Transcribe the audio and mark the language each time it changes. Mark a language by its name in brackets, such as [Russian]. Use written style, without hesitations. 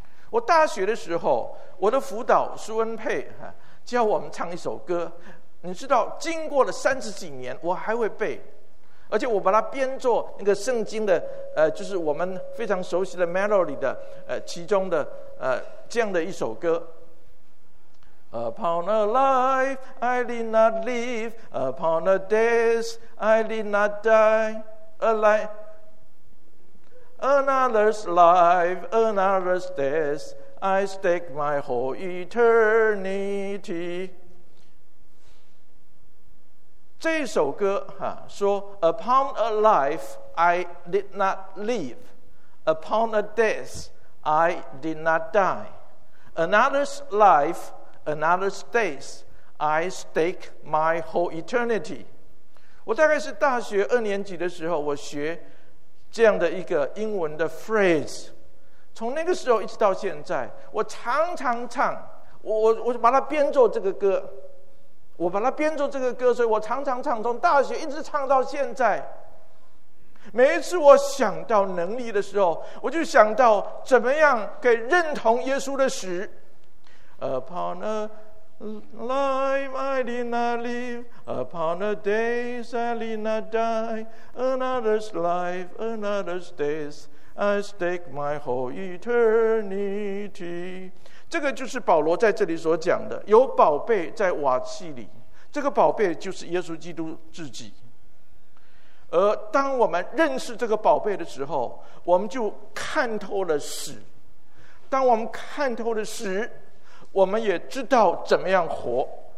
[Chinese] 我大学的时候，我的辅导苏恩佩教我们唱一首歌，你知道经过了三十几年我还会背，而且我把它编作那个圣经的就是我们非常熟悉的 melody 的其中的这样的一首歌。 [English] Upon a life I did not live, upon a death I did not die, a life another's life another's deathI stake my whole eternity. [Chinese] 这首歌哈说 [English] ，Upon a life I did not live, upon a death I did not die, another's life, another's death, I stake my whole eternity. [Chinese] 我大概是大学二年级的时候，我学这样的一个英文的 phrase。从那个时候一直到现在，我常常唱，我把它编作这个歌，我把它编作这个歌，所以我常常唱，从大学一直唱到现在。每一次我想到能力的时候，我就想到怎么样可以认同耶稣的死。 [English] Upon a life I did not live, upon a days I did not die, another's life, another's deathI stake my whole eternity. [Chinese] 这个就是保罗在这里所讲的，有宝贝在瓦器里，这个宝贝就是耶稣基督自己。而当我们认识这个宝贝的时候，我们就看透了死。当我们看透了死，我们也知道怎么样活。